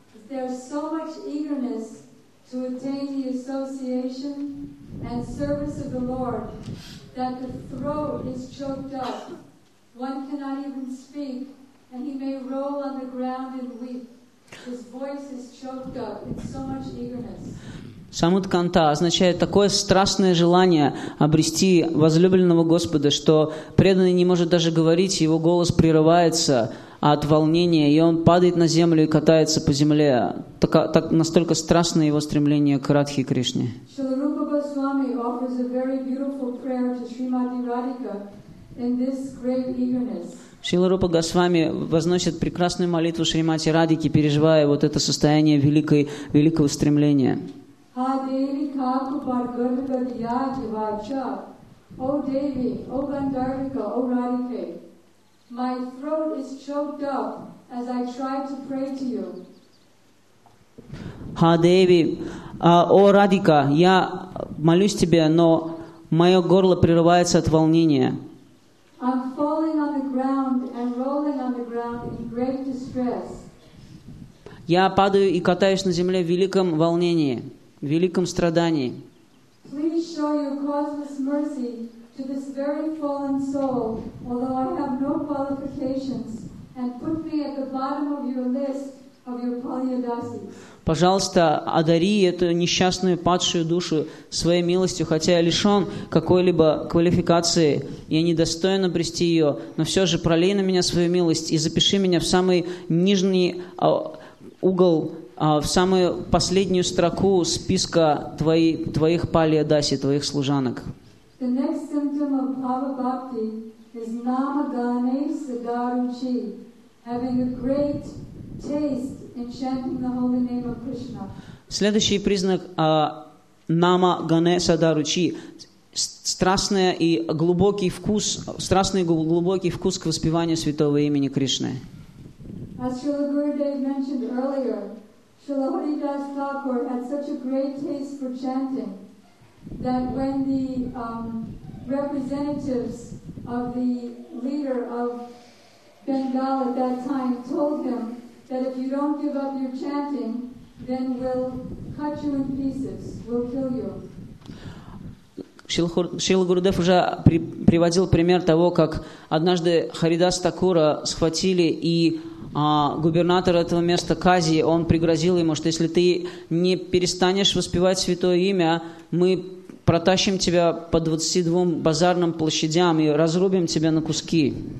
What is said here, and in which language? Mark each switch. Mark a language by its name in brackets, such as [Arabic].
[English] There's so much eagerness to attain the association and service of the Lord that the throat is choked up. One cannot even speak, and he may roll on the ground and weep. His voice is choked up in so much eagerness. [Russian] Самутканта означает такое страстное желание обрести возлюбленного Господа, что преданный не может даже говорить, его голос прерывается от волнения, и он падает на землю и катается по земле. Так настолько страстно его стремление к Радхе Кришне. [English] Шриупа Госвами offers a very beautiful prayer to Srimati Radhika in this great eagerness. [Russian] Шрила Рупа Госвами возносит прекрасную молитву Шримати Радхике, переживая вот это состояние великого стремления. [Sanskrit] Ha Devi Kakupar Gurdhya Jivacha. [English] O Devi, O Gandharvika, O Radhike, my throat is choked up as I try to pray to you. [Russian] Ha Devi, O Radhika, я молюсь тебе, но мое горло прерывается от волнения. [English] I'm falling on the ground and rolling on the ground in great distress. [Russian] Я падаю и катаюсь на земле в великом волнении. В великом страдании. [English] Please show your causeless mercy to this very fallen soul, although I have no qualifications, and put me at the bottom of your list of your palyadasis. [Russian] Пожалуйста, одари эту несчастную падшую душу своей милостью, хотя я лишен какой-либо квалификации, я недостоин обрести ее, но все же пролей на меня свою милость и запиши меня в самый нижний угол, в самую последнюю строку списка твоих палиадаси, твоих служанок. [English] The next symptom of Bhava Bhakti is Namagane Sadaruchi, having a great taste in chanting the holy name of Krishna. [Russian] Следующий признак Намагане Садаручи — страстное и глубокий вкус, страстный и глубокий вкус к воспеванию святого имени Кришны. [English] As Srila Gurudev mentioned earlier, Srila Haridas Thakur had such a great taste for chanting that when the representatives of the leader of Bengal at that time told him that if you don't give up your chanting, then we'll cut you in pieces, we'll kill you. [Russian] Шрила Гурудев уже приводил пример того, как однажды Харидас Такура схватили, и губернатор этого места Кази, он пригрозил ему, что если ты не перестанешь воспевать святое имя, мы протащим тебя по 22 базарным площадям и разрубим тебя на куски.